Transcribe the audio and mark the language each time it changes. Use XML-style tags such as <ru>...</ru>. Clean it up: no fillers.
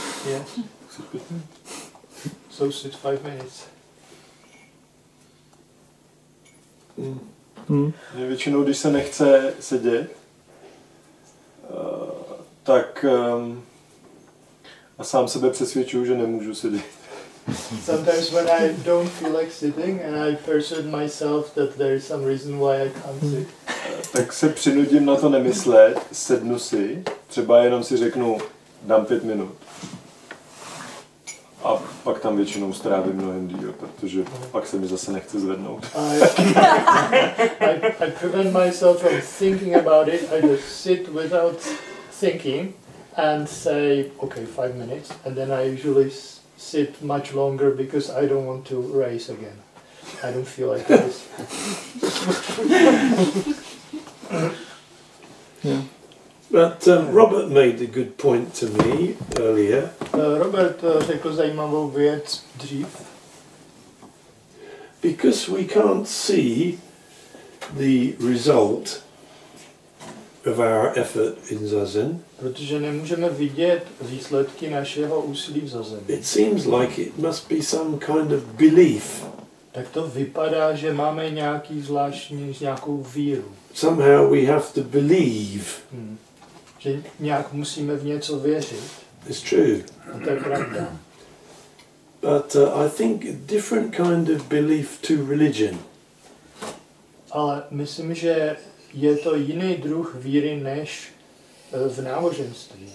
<en>Yes. So sit 5 minutes. Mm. Mm.</en> <cs>Většinou, když se nechce sedět, tak a sám sebe přesvědčuju, že nemůžu sedět.</cs> <en>Sometimes when I don't feel like sitting and I persuade myself that there is some reason why I can't sit.</en> <cs>Tak se přinudím na to nemyslet, sednu si, třeba jenom si řeknu, dám 5 minut. A pak tam většinou strávím mnohem díl, protože pak se mi zase nechce zvednout.</cs> <en>I prevent myself from thinking about it, I just sit without thinking and say, okay, 5 minutes, and then I usually sit much longer because I don't want to race again. I don't feel like this. Yeah. But Robert made a good point to me earlier.</en> <cs>Robert řekl zajímavou věc dřív.</cs> <en>Because we can't see the result of our effort in zazen.</en> <cs>Protože nemůžeme vidět výsledky našeho úsilí v zazen.</cs> <en>It seems like it must be some kind of belief.</en> <cs>Tak to vypadá, že máme nějaký zvláštní nějakou víru.</cs> <en>Somehow we have to believe. Hmm.</en> <cs>Že nějak musíme v něco věřit.</cs> <en>It's true.</en> <cs>A to je pravda.</cs> <en>But I think a different kind of belief to religion.</en> <cs>Ale myslím, že je to jiný druh víry než v náboženství.</cs>